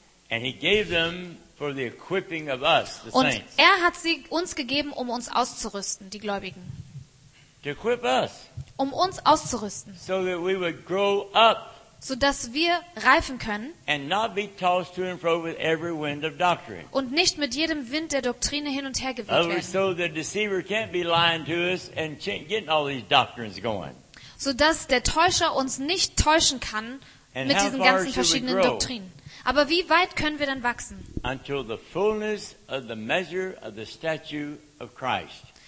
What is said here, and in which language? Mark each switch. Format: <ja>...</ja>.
<en>And he gave them for the equipping of us, the</en> <de>und</de> <en>saints.</en> <de>Er hat sie uns gegeben, um uns auszurüsten, die Gläubigen.</de> <en>To equip us.</en> <de>Um uns auszurüsten.</de> <en>So that we would grow up.</en> <de>So dass wir reifen können.</de> <en>And not be tossed to and fro with every wind of doctrine.</en> <de>Und nicht mit jedem Wind der Doktrine hin und her gewirbelt werden.</de> <en>Otherwise, so the deceiver can't be lying to us and getting all these doctrines going.</en> <de>So dass der Täuscher uns nicht täuschen kann mit diesen ganzen verschiedenen Doktrinen. Aber wie weit können wir dann wachsen?</de> <en>Until the fullness of the measure of the stature of Christ.</en>